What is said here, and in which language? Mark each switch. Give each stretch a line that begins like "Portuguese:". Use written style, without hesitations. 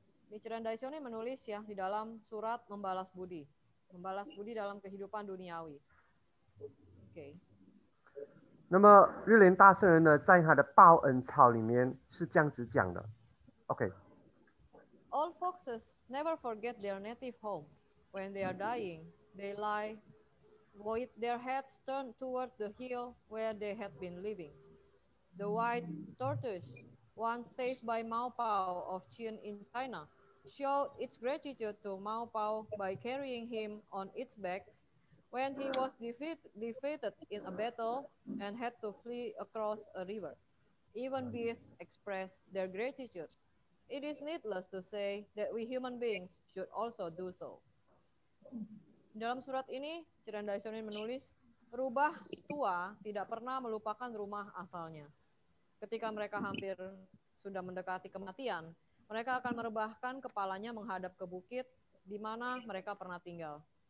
Indonesian: Nichiren Daishonin menulis ya di dalam surat membalas budi dalam kehidupan duniawi. Okay.
Chinese: 那么日莲大圣人呢，在他的报恩草里面是这样子讲的.
English: Okay. All foxes never forget their native home. When they are dying, they lie with their heads turned toward the hill where they have been living. The white tortoise, once saved by Mao Pao of Qin in China, showed its gratitude to Mao Pao by carrying him on its back when he was defeated in a battle and had to flee across a river. Even beasts express their gratitude. It is needless to say that we human beings should also do so.
Indonesian: Dalam surat ini, Ciren Daishonin menulis, rubah tua tidak pernah melupakan rumah asalnya. Ketika mereka hampir sudah mendekati kematian, mereka akan merebahkan kepalanya menghadap ke bukit di mana mereka pernah tinggal.